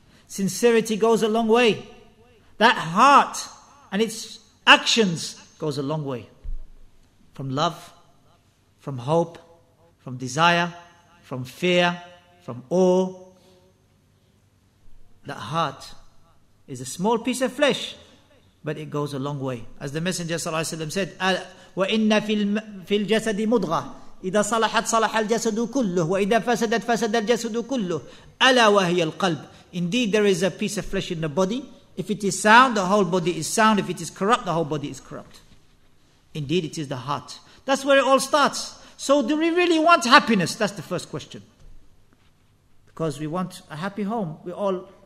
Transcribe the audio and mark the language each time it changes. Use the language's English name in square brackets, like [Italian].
[English] Sincerity goes a long way. That heart and its actions goes a long way. From love, from hope, from desire, from fear, from awe. That heart is a small piece of flesh, but it goes a long way. As the Messenger sallallahu alaihi wasallam said, [Arabic] وَإِنَّ فِي الْجَسَدِ مُضْغَةِ إِذَا صَلَحَتْ صَلَحَ الْجَسَدُ كُلُّهُ وَإِذَا فَسَدَتْ فَسَدَ الْجَسَدُ كُلُّهُ أَلَا وَهِيَ الْقَلْبِ. [English] Indeed, there is a piece of flesh in the body. If it is sound, the whole body is sound. If it is corrupt, the whole body is corrupt. Indeed, it is the heart. That's where it all starts. So do we really want happiness? That's the first question. Because we want a happy home. We all